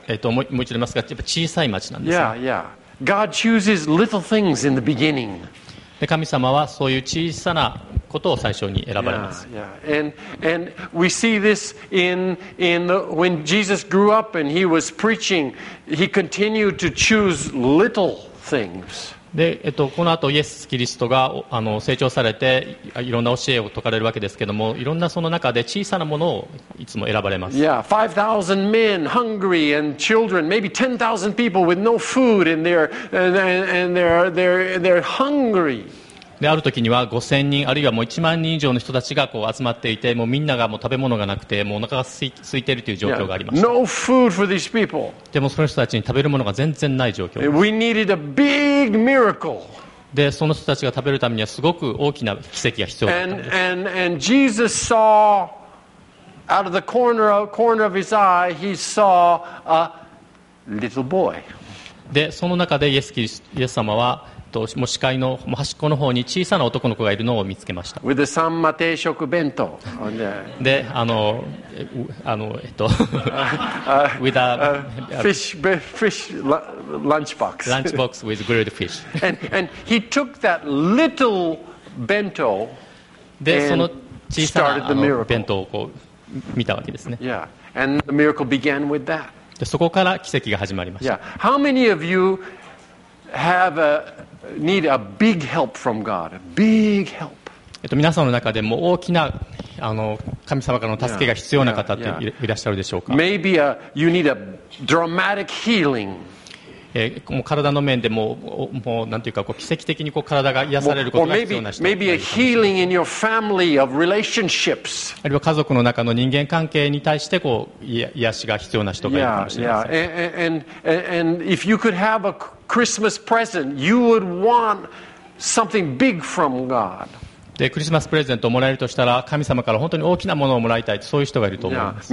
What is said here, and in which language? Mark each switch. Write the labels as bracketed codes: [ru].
[ja] もう一度言いますが、やっぱ小さい町なんですね。 [en] yeah, yeah. God chooses little things in the beginning. [ja] で神様はそういう小さなことを最初に選ばれます。 [en] yeah, yeah. And we see this when Jesus grew up and he was preaching, he continued to choose little things. [ja] でこの後イエス・キリストが成長されて いろんな教えを説かれるわけですけども、いろんなその中で小さなものをいつも選ばれます。 [en] yeah, 5,000 men hungry and children, maybe 10,000 people with no food and they're hungry. [ja] である時には5,000人あるいはもう1万人以上の人たちがこう集まっていて、もうみんながもう食べ物がなくてもうお腹が空いているという状況がありました。 [en] yeah, no food for these people. [ja] でもその人たちに食べるものが全然ない状況です。 [en] we needed a big [ja] でその人たちが食べるためにはすごく大きな奇跡が必要だったんです。 [en] and Jesus saw out of the corner of his eye, he saw a little boy. [ja] でその中でイエス様はもう視界の端っこの方に小さな男の子がいるのを見つけました。 [en] with the 三馬定食弁当で with a fish lunchbox with grilled fish. and he took that little bento [ja] でその小さな弁当をこう見たわけですね。 [en] yeah. And the miracle began with that. [ja] でそこから奇跡が始まりました。 [en] yeah. How many of you have a need a big help from God, a big help. [ja] 皆さんの中でも大きな神様からの助けが必要な方っていらっしゃるでしょうか。 [en] Maybe you need a dramatic healing. [ja] もう体の面でもうなんていうか、こう奇跡的にこう体が癒されることが必要な人。 [en] Maybe a healing in your family of relationships. [ja] あるいは家族の中の人間関係に対してこう癒しが必要な人がいるかもしれません。 [en] And if you could have a Christmas present, you would want something big from God. [ja] でクリスマスプレゼントをもらえるとしたら、神様から本当に大きなものをもらいたい、そういう人がいると思います。